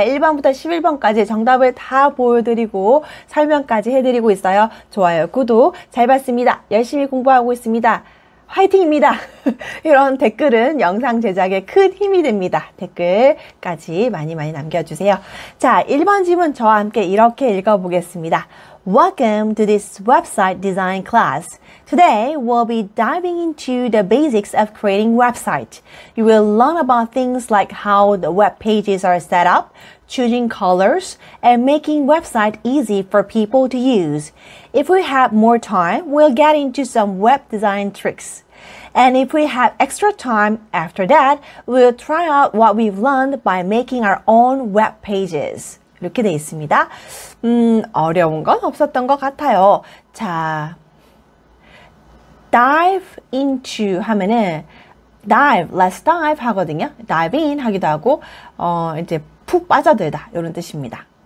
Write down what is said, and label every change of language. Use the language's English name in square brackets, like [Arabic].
[Korean] 1번부터 11번까지 정답을 다 보여드리고 설명까지 해드리고 있어요. 좋아요, 구독 잘 봤습니다. 열심히 공부하고 있습니다. 화이팅입니다. 이런 댓글은 영상 제작에 큰 힘이 됩니다. 댓글까지 많이 많이 남겨주세요. 자, 1번 질문 저와 함께 이렇게 읽어보겠습니다. [English] Welcome to this website design class. Today, we'll be diving into the basics of creating website. You will learn about things like how the web pages are set up, choosing colors, and making website easy for people to use. If we have more time, we'll get into some web design tricks. And if we have extra time after that, we'll try out what we've learned by making our own web pages. [Korean] 이렇게 돼 있습니다. 어려운 건 없었던 것 같아요. 자, dive into 하면은 dive, let's dive 하거든요. dive in 하기도 하고 이제 푹 빠져들다 이런 뜻입니다.